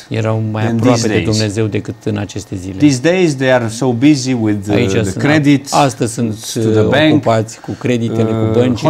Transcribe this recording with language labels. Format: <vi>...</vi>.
<ro>Erau mai aproape de Dumnezeu decât în aceste zile.</ro> <en>These days they are so busy with the credit.</en> <ro>Astăzi sunt ocupați cu creditele, cu băncile,</ro>